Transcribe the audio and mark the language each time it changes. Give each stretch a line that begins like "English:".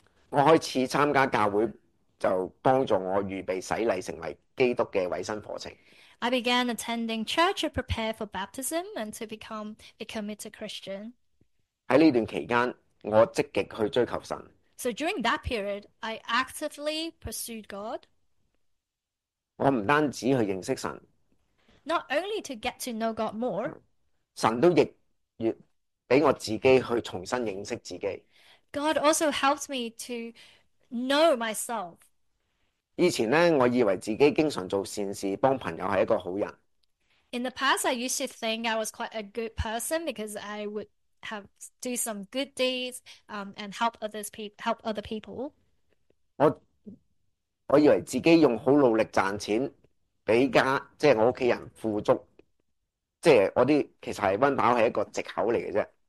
Cantonese: 我开始参加教会，就帮助我预备洗礼成为基督嘅委身课程。
English: I began attending church to prepare for baptism and to become a committed Christian.
Cantonese: 喺呢段期间，我积极去追求神。
English: So during that period, I actively pursued God.
Cantonese: 我唔单止去认识神，
English: Not only to get to know God more,
Cantonese: 神都亦俾我自己去重新认识自己。
English: God also helped me to know myself.
Cantonese: 以前咧，我以为自己经常做善事，帮朋友系一个好人。
English: In the past, I used to think I was quite a good person because I would have do some good deeds, and help other people.
Cantonese: 我以为自己用好努力赚钱，俾家即系我屋企人富足，即系我啲其实系温饱系一个借口嚟嘅啫。